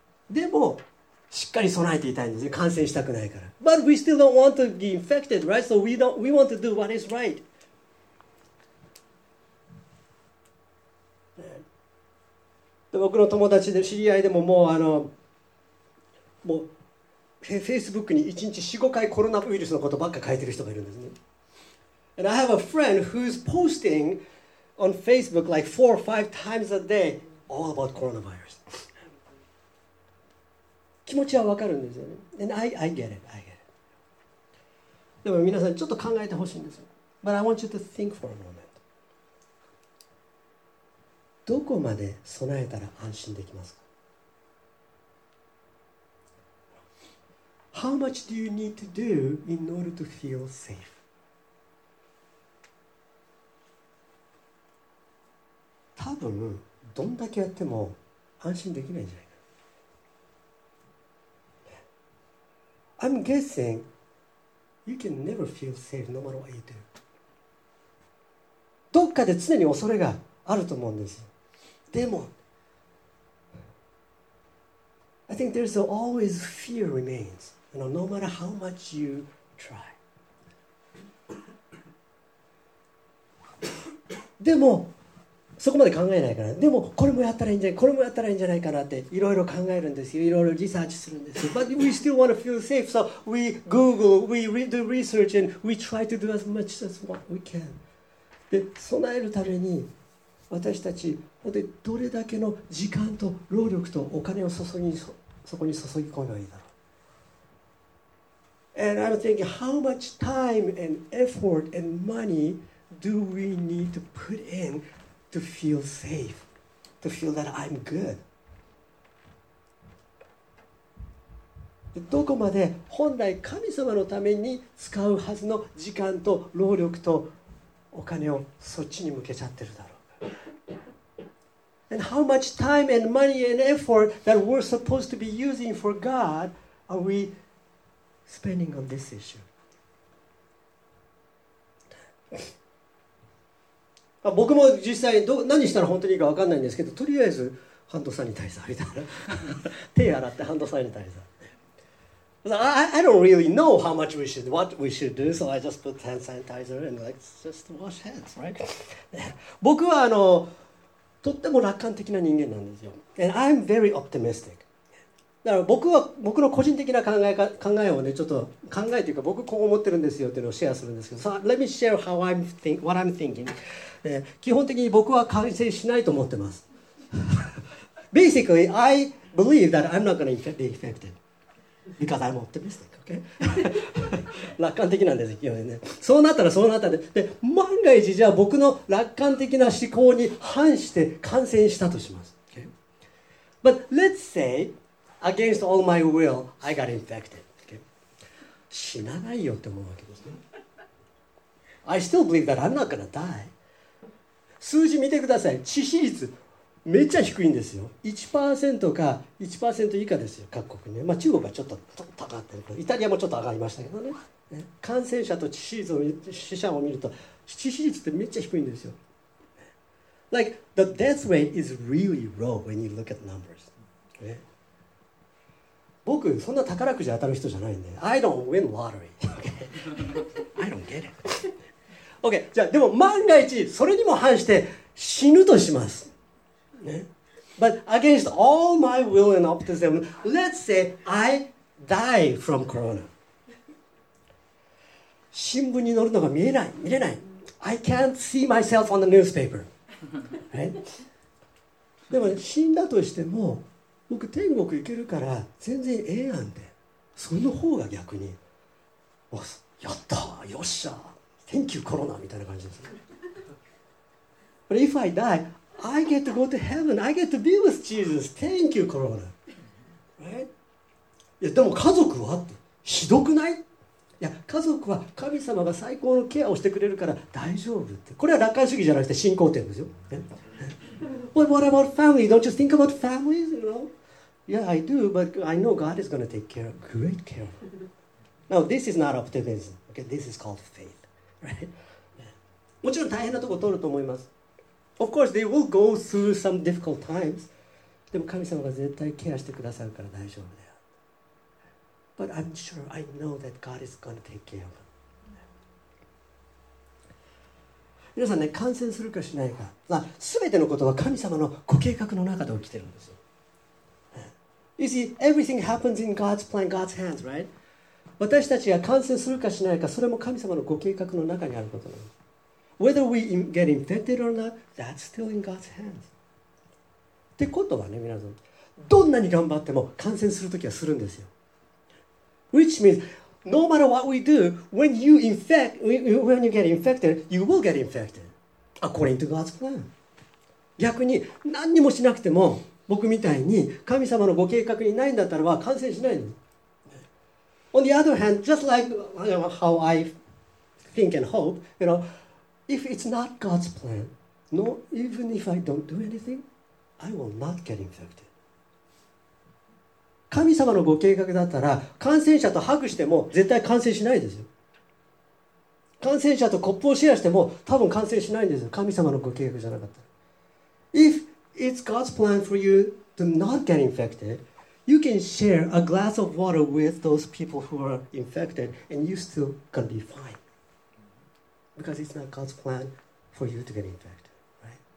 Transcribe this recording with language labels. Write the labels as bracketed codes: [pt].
[ja] でもしっかり備えていたいんですね。感染したくないから。 [en] But we still don't want to be infected, right? So we want to do what is right. [ja] 僕の友達で知り合いでももうもうフェイスブックに1日 4,5 回コロナウイルスのことばっか書いてる人がいるんですね。 [en] And I have a friend who's posting on Facebook like 4-5 times a day all about coronavirus. [ja] 気持ちはわかるんですよね。 [en] And I get it. [ja] でも皆さんちょっと考えてほしいんですよ。 [en] But I want you to think for a moment. [ja] どこまで備えたら安心できますか? [en] How much do you need to do in order to feel safe? [ja] 多分どんだけやっても安心できないんじゃないか。 [en] I'm guessing you can never feel safe no matter what you do. [ja] どっかで常に恐れがあると思うんですよ。 [en] でも、I think there's always fear remains, you know, no matter how much you try. [ja] でも、そこまで考えないから、でも、これもやったらいいんじゃない、これもやったらいいんじゃないかなって、いろいろ考えるんですよ、いろいろリサーチするんですよ。 [en] But we still want to feel safe, so we Google, we read the research, and we try to do as much as what we can. [ja] で、備えるために、私たち、本当にどれだけの時間と労力とお金を注ぎそこに注ぎ込めばいいだろう。 [en] And I'm thinking, how much time and effort and money do we need to put in to feel safe, to feel that I'm good? [ja] どこまで本来神様のために使うはずの時間と労力とお金をそっちに向けちゃってるだろう。 [en] And how much time and money and effort that we're supposed to be using for God are we spending on this issue? [ja] 僕も実際ど何したら本当にいいか分かんないんですけど、とりあえずハンドサニタイザーみたいな手洗ってハンドサニタイザー [en] I don't really know how much we should, what we should do, so I just put hand sanitizer and like just wash hands, right? [ja] 僕はあのとっても楽観的な人間なんですよ。 [en] And I'm very optimistic. [ja] だから僕の個人的な考えをね、ちょっと考えというか僕こう思ってるんですよっていうのをシェアするんですけど、 [en] So let me share how I'm think, what I'm thinking. [ja] 基本的に僕は感染しないと思ってます。 [en] Basically, I believe that I'm not going to be infected because I'm optimistic, okay? [ja] 楽観的なんですよね。そうなったらそうなったら、で、万が一じゃあ僕の楽観的な思考に反して感染したとします。 [en] Okay? But let's say, against all my will, I got infected. Okay? [ja] 死なないよって思うわけですね。 [en] I still believe that I'm not going to die. [ja] 数字見てください。致死率めっちゃ低いんですよ。1% か 1% 以下ですよ、各国ね。まあ、中国はちょっと高かったけど、イタリアもちょっと上がりましたけど ね、 感染者と致死率を死者を見ると致死率ってめっちゃ低いんですよ。 [en] Like, the death rate is really low when you look at numbers、 [ja] ね、僕、そんな宝くじ当たる人じゃないんで [en] I don't win lottery、okay? I don't get it [ja] Okay, じゃあでも万が一それにも反して死ぬとします、ね、 [en] But against all my will and optimism, let's say I die from corona. [ja] 新聞に載るのが見えない、見れない。 [en] I can't see myself on the newspaper. 、 [ja] でも死んだとしても僕天国行けるから全然ええやんって。その方が逆に、やったよっしゃ。 [en] Thank you, Corona, [ja] みたいな感じです。 [en] But if I die, I get to go to heaven. I get to be with Jesus. Thank you, Corona. [ja] Right? いや、でも家族はってひどくない？いや、家族は神様が最高のケアをしてくれるから大丈夫って。これは楽観主義じゃなくて信仰点ですよ。 [en] But what about family? Don't you think about families? You know? Yeah, I do. But I know God is going to take care, great care. Now, this is not optimism. Okay, this is called faith. [ja] もちろん大変なところを通ると思います。 [en] Of course, they will go through some difficult times. [ja] でも神様が絶対ケアしてくださるから大丈夫だよ。 [en] But I'm sure I know that God is going to take care of them. [ja] 皆さんね、感染するかしないか、まあ、全てのことは神様のご計画の中で起きてるんですよ。 [en] You see, everything happens in God's plan, God's hands, right? [ja] 私たちが感染するかしないか、それも神様のご計画の中にあることなの。 [en] Whether we get infected or not, that's still in God's hands. [ja] ってことはね、皆さん、どんなに頑張っても感染するときはするんですよ。 [en] Which means, no matter what we do, when you infect, when you get infected, you will get infected. According to God's plan. [ja] 逆に、何にもしなくても、僕みたいに神様のご計画にないんだったらは感染しないの。 [en] On the other hand, just like how I think and hope, you know, if it's not God's plan, no, even if I don't do anything, I will not get infected. [ja] 神様のご計画だったら、感染者とハグしても絶対感染しないですよ。感染者とコップをシェアしても多分感染しないんですよ。神様のご計画じゃなかったら。 [en] If it's God's plan for you to not get infected,You can share a glass of water with those people who are infected and you're still going to be fine. Because it's not God's plan for you to get infected, right?